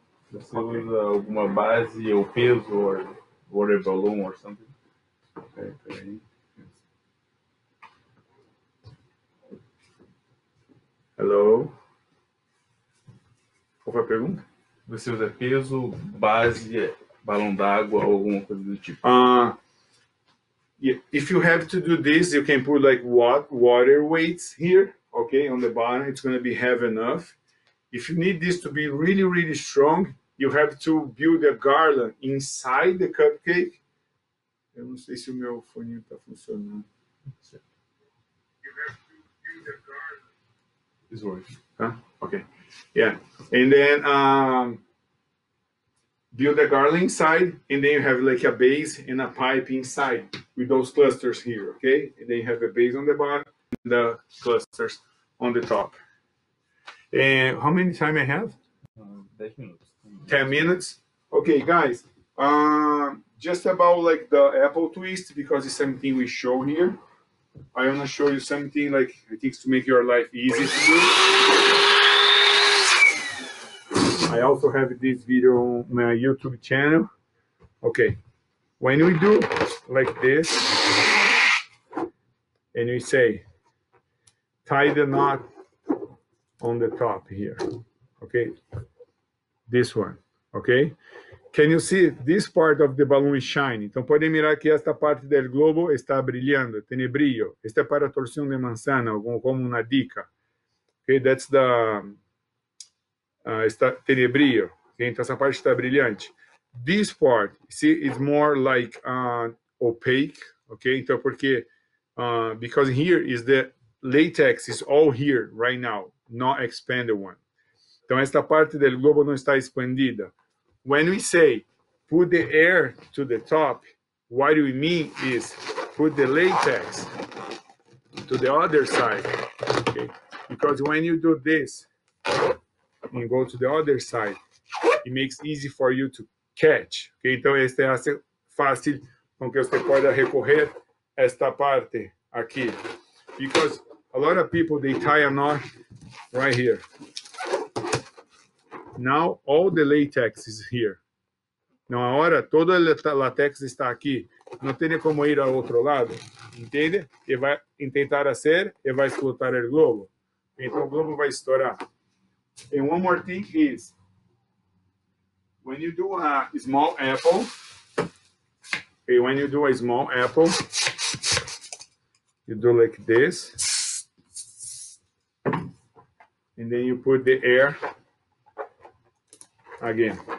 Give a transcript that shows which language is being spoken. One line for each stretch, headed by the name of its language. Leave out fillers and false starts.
Portuguese: Você usa alguma base ou peso
English: or water balloon or something?
Portuguese: Okay, peraí.
English: Hello?
Portuguese: Qual foi a pergunta? Você usa peso, base, balão d'água ou alguma coisa do tipo?
English: If you have to do this, you can put like water weights here, okay, on the bottom. It's going to be heavy enough. If you need this to be really, really strong, you have to build a garland inside the cupcake.
Portuguese: Eu não sei se o meu fone está funcionando.
English: You have to build a garland. It's working. Huh? Okay. Yeah. And then build a garland inside, and then you have like a base and a pipe inside with those clusters here, okay? And then you have a base on the bottom and the clusters on the top. And how many time I have? 10 minutes. 10 minutes? Okay, guys. Just about like the apple twist, because it's something we show here. I want to show you something like I think to make your life easy to do. I also have this video on my YouTube channel. Okay. When we do like this, and we say, tie the knot on the top here. Okay. This one. Okay. Can you see this part of the balloon is shiny?
Portuguese: Então podem mirar que esta parte do globo está brilhando, tem brilho. Este é para torção de manzana, como uma dica.
English: Okay, that's the está tenebrio. Okay,
Portuguese: então essa parte está brilhante.
English: This part, see, is more like opaque. Okay,
Portuguese: então porque
English: because here is the latex is all here right now, not expanded one.
Portuguese: Então esta parte do globo não está expandida.
English: When we say put the air to the top, what we mean is put the latex to the other side. Okay. Because when you do this and go to the other side, it makes easy for you to catch. Okay?
Portuguese: Então, este é fácil com que você pode recorrer esta parte aqui.
English: Because a lot of people, they tie a knot right here. Now, all the latex is here. Now,
Portuguese: agora, todo o latex está aqui. Não tem como ir ao outro lado. Entende? E vai tentar fazer e vai explotar o globo. Então o globo vai estourar.
English: And one more thing is, when you do a small apple, okay, when you do a small apple, you do like this, and then you put the air again.